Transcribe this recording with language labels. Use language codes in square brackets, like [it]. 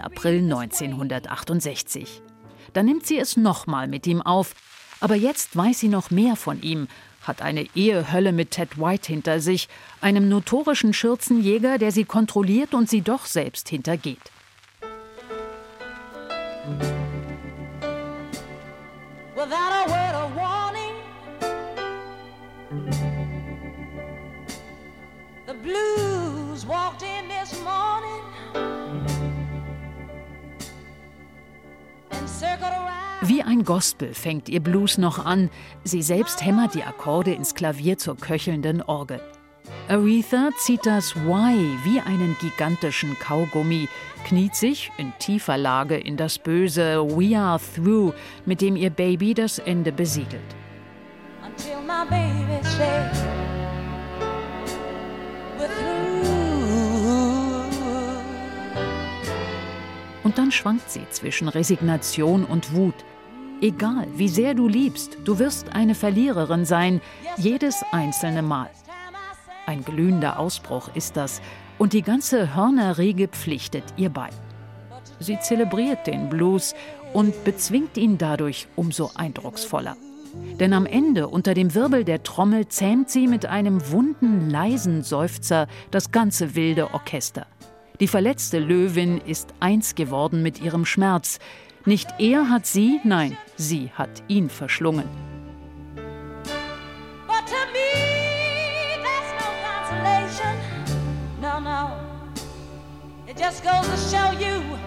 [de] April 1968. Da nimmt sie es nochmal mit ihm auf. Aber jetzt weiß sie noch mehr von ihm, hat eine Ehehölle mit Ted White hinter sich, einem notorischen Schürzenjäger, der sie kontrolliert und sie doch selbst hintergeht. [en] Without a word of warning, the blues walked in this morning and circled around. [de] Wie ein Gospel fängt ihr Blues noch an. Sie selbst hämmert die Akkorde ins Klavier zur köchelnden Orgel. Aretha zieht das Why wie einen gigantischen Kaugummi, kniet sich in tiefer Lage in das böse [en] We are through, [de] mit dem ihr Baby das Ende besiegelt. [en] Until my baby says, we're through. [de] Und dann schwankt sie zwischen Resignation und Wut. Egal, wie sehr du liebst, du wirst eine Verliererin sein, jedes einzelne Mal. Ein glühender Ausbruch ist das und die ganze Hörnerriege pflichtet ihr bei. Sie zelebriert den Blues und bezwingt ihn dadurch umso eindrucksvoller. Denn am Ende, unter dem Wirbel der Trommel, zähmt sie mit einem wunden, leisen Seufzer das ganze wilde Orchester. Die verletzte Löwin ist eins geworden mit ihrem Schmerz. Nicht er hat sie, nein, sie hat ihn verschlungen. [en] But to me, that's no consolation. No, no. It just goes to show you.